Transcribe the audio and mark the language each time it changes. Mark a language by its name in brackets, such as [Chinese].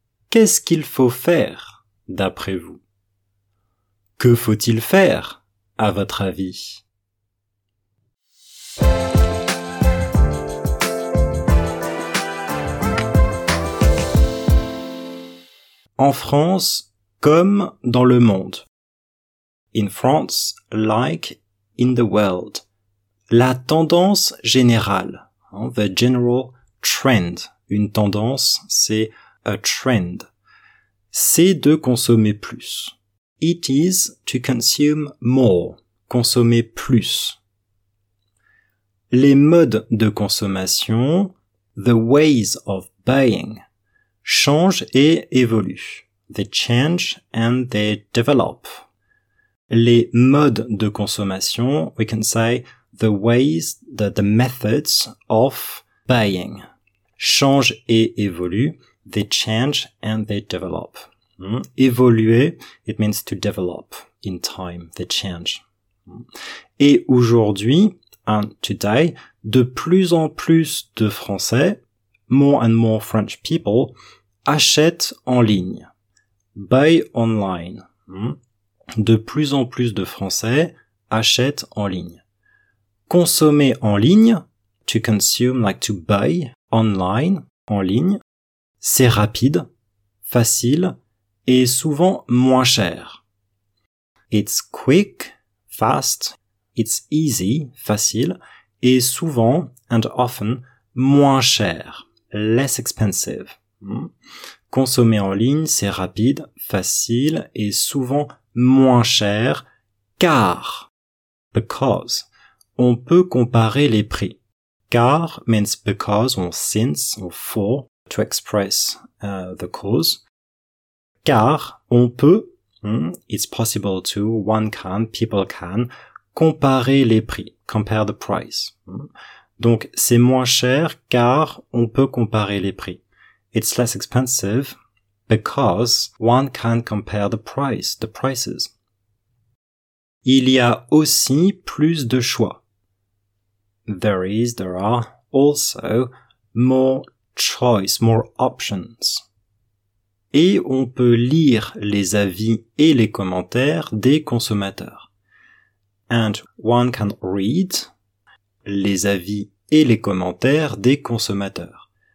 [French] Qu'est-ce qu'il faut faire, d'après vous? Que faut-il faire, à votre avis? En France, comme dans le monde. [English] In France, like in the world. [French] La tendance générale, hein, [English] the general trend. [French] Une tendance, c'est [English] a trend. [French] C'est de consommer plus. [English] It is to consume more. [French] Consommer plus. Les modes de consommation, [English] the ways of buying, [French] changent et évoluent. [English] They change and they develop. [French] Les modes de consommation, [English] we can say the ways, the methods of buying, [French] changent et évoluent. [English] They change and they develop. Évoluer, it means to develop in time, they change. [French] Et aujourd'hui, [English] and today, [French] de plus en plus de Français, [English] more and more French people, [French] achètent en ligne. [English] Buy online. [French] De plus en plus de Français achètent en ligne. Consommer en ligne, [English] to consume, like to buy, online, [French] en ligne, c'est rapide, facile, et souvent moins cher. [English] It's quick, fast, it's easy, facile, [French] est souvent, [English] and often, [French] moins cher, [English] less expensive. [French] Consommer en ligne, c'est rapide, facile et souvent moins cher, car, because, on peut comparer les prix. [English] Car means because or since or for, to express the cause. [French] Car on peut, [English] it's possible to, one can, people can, [French] comparer les prix, [English] compare the price. [French] Donc c'est moins cher car on peut comparer les prix. [English] It's less expensive because one can compare the price, the prices. [French] Il y a aussi plus de choix. [English] There are also more choice, more options. [French] Et on peut lire les avis et les commentaires des consommateurs. [English] And one can read [French] les avis et les commentaires des consommateurs.